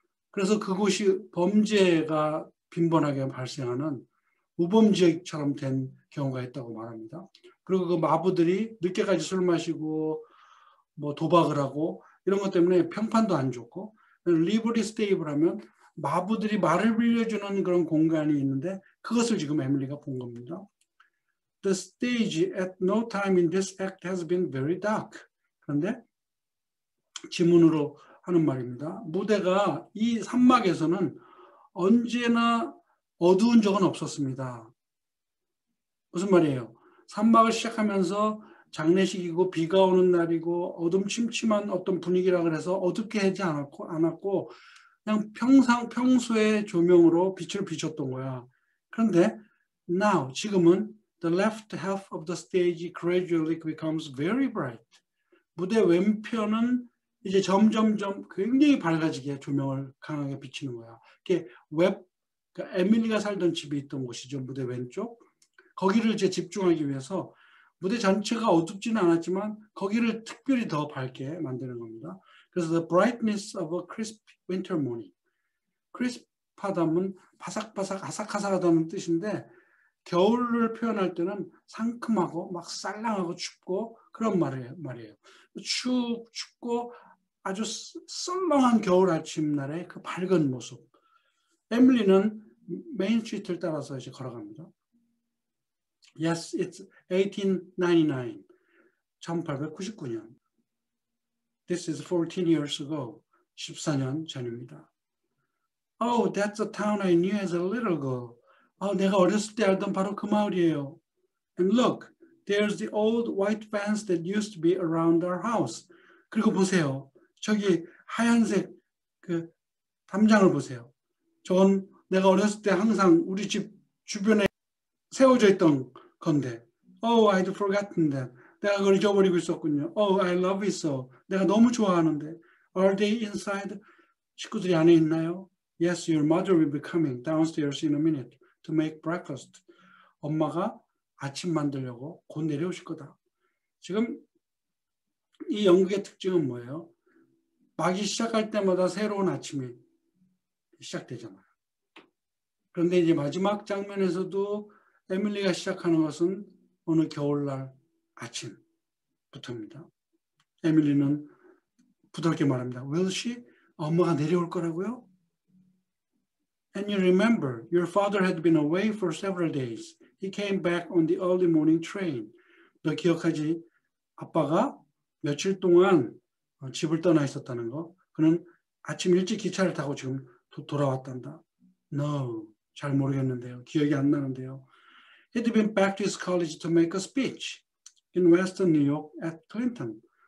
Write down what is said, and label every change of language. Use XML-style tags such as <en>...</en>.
<ko>그래서 그곳이 범죄가 빈번하게 발생하는 우범 지역처럼 된 경우가 있다고 말합니다. 그리고 그 마부들이 늦게까지 술 마시고 뭐 도박을 하고 이런 것 때문에 평판도 안 좋고, 리버티 스테이블하면 마부들이 말을 빌려주는 그런 공간이 있는데 그것을 지금 에밀리가 본 겁니다.</ko> <en>The stage at no time in this act has been very dark.</en> <ko>그런데 지문으로 하는 말입니다. 무대가 이 산막에서는 언제나 어두운 적은 없었습니다. 무슨 말이에요? 산막을 시작하면서 장례식이고 비가 오는 날이고 어둠침침한 어떤 분위기라 그래서 어둡게 하지 않았고 그냥 평소의 조명으로 빛을 비췄던 거야. 그런데</ko> <en>now</en> <ko>지금은</ko> <en>the left half of the stage gradually becomes very bright.</en> <ko>무대 왼편은 이제 점점점 굉장히 밝아지게 조명을 강하게 비치는 거야. 이게 웹 그러니까 에밀리가 살던 집이 있던 곳이죠. 무대 왼쪽. 거기를 이제 집중하기 위해서 무대 전체가 어둡지는 않았지만 거기를 특별히 더 밝게 만드는 겁니다. 그래서</ko> <en>the brightness of a crisp winter morning.</en> <ko>crisp하다면 바삭바삭 아삭아삭하다는 뜻인데 겨울을 표현할 때는 상큼하고 막 쌀랑하고 춥고 그런 말이에요. 춥고 아주 썰렁한 겨울 아침날의 그 밝은 모습. 에밀리는 메인 스트리트를 따라서 이제 걸어갑니다.</ko> <en>Yes, it's 1899.</en> <ko>1899년.</ko> <en>This is 14 years ago.</en> <ko>14년 전입니다.</ko> <en>Oh, that's a town I knew as a little girl.</en> <ko>아, 내가 어렸을 때 알던 바로 그 마을이에요.</ko> <en>And look, there's the old white fence that used to be around our house.</en> <ko>그리고 보세요. 저기 하얀색 그 담장을 보세요. 저건 내가 어렸을 때 항상 우리 집 주변에 세워져 있던 건데.</ko> <en>Oh, I'd forgotten that.</en> <ko>내가 그걸 잊어버리고 있었군요.</ko> <en>Oh, I love it so.</en> <ko>내가 너무 좋아하는데.</ko> <en>Are they inside?</en> <ko>식구들이 안에 있나요?</ko> <en>Yes, your mother will be coming downstairs in a minute to make breakfast.</en> <ko>엄마가 아침 만들려고 곧 내려오실 거다. 지금 이 연극의 특징은 뭐예요? 막이 시작할 때마다 새로운 아침이 시작되잖아요. 그런데 이제 마지막 장면에서도 에밀리가 시작하는 것은 어느 겨울날 아침부터입니다. 에밀리는 부드럽게 말합니다.</ko> <en>Will she?</en> <ko>엄마가 내려올 거라고요?</ko> <en>And you remember, your father had been away for several days. He came back on the early morning train.</en> <ko>너 기억하지? 아빠가 며칠 동안 집을 떠나 있었다는 거. 그는 아침 일찍 기차를 타고 지금 돌아왔단다.</ko> <en>No.</en> <ko>잘 모르겠는데요. 기억이 안 나는데요.</ko> <en>He'd been back to his college to make a speech in Western New York at Clinton.</en>